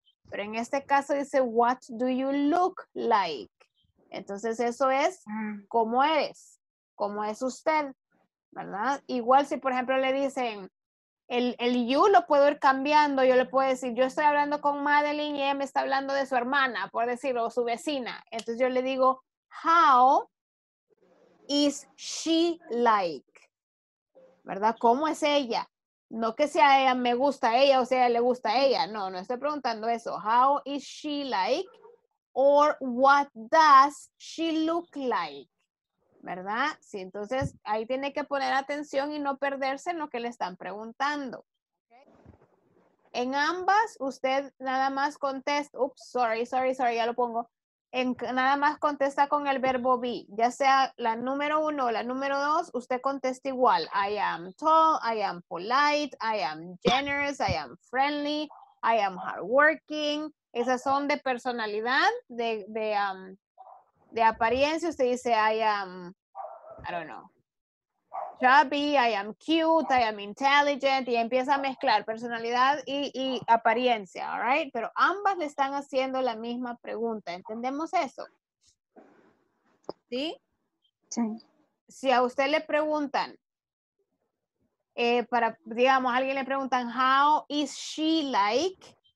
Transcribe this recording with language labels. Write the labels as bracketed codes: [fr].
[es] Pero en este caso dice, [en] what do you look like? [es] Entonces eso es, ¿cómo eres? ¿Cómo es usted? ¿Verdad? Igual si por ejemplo le dicen, el you lo puedo ir cambiando, yo le puedo decir, yo estoy hablando con Madeline y ella me está hablando de su hermana, por decirlo, o su vecina. Entonces yo le digo, [en] how is she like? [es] ¿Verdad? ¿Cómo es ella? No que sea ella me gusta a ella o sea le gusta a ella. No, no estoy preguntando eso. [en] How is she like? Or what does she look like? [es] ¿Verdad? Sí, entonces ahí tiene que poner atención y no perderse en lo que le están preguntando. ¿Okay? En ambas, usted nada más contesta. Ups, sorry, ya lo pongo. Nada más contesta con el verbo be. Ya sea la número uno o la número dos, usted contesta igual. [en] I am tall, I am polite, I am generous, I am friendly, I am hardworking. [es] Esas son de personalidad, de apariencia. Usted dice [en] I am, I don't know, chubby, I am cute, I am intelligent. [es] Y empieza a mezclar personalidad y apariencia, [en] all right? [es] Pero ambas le están haciendo la misma pregunta. ¿Entendemos eso? ¿Sí? Sí. Si a usted le preguntan, para, digamos, a alguien le preguntan, [en] how is she like?